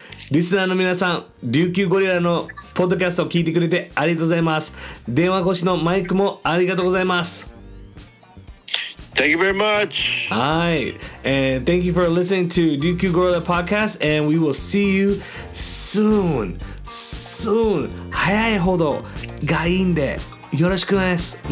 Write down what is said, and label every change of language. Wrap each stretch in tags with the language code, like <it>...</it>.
<ja>リスナーの皆さん、琉球ゴリラのポッドキャストを聞いてくれてありがとうございます。電話越しのマイクもありがとうございます。</ja> <en>Thank you very much. はい、Thank you for listening to 琉球ゴリラ podcast and we will see you soon. Soon.</en> <ja>早いほどがいいんでよろしくお願いします。</ja>